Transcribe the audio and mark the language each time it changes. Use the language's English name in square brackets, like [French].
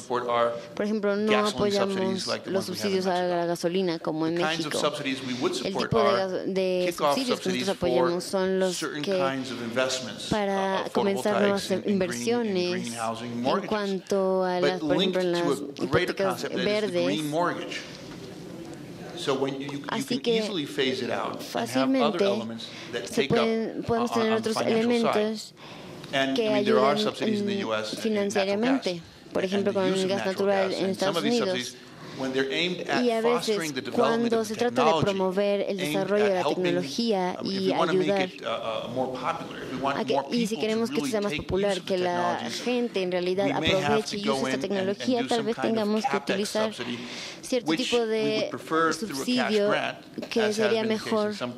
[Spanish] Por ejemplo, no apoyamos los subsidios a la gasolina como en México. El tipo de subsidios que nosotros apoyamos son los que para comenzar nuevas inversiones en cuanto a las, por ejemplo, en las hipotecas verdes. [English] So when you can easily phase it out and have other elements that take up on the financial side. And I mean, there are subsidies in the U.S. in natural gas. [Spanish] Por ejemplo, con el gas natural en Estados Unidos. Y a veces, cuando se trata de promover el desarrollo de la tecnología y ayudar a que, y si queremos que esto sea más popular, que la gente en realidad aproveche y use esta tecnología, tal vez tengamos que utilizar cierto tipo de subsidio que sería mejor.